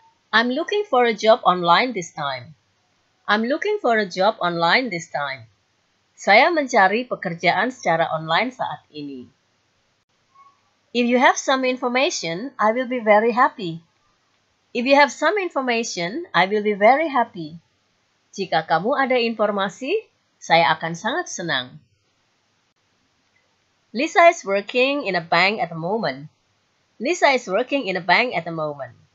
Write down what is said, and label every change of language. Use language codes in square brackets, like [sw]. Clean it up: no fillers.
[en] I'm looking for a job online this time. I'm looking for a job online this time. [id] Saya mencari pekerjaan secara online saat ini. [en] If you have some information, I will be very happy. If you have some information, I will be very happy. [id] Jika kamu ada informasi, saya akan sangat senang. [en] Lisa is working in a bank at the moment. Lisa is working in a bank at the moment.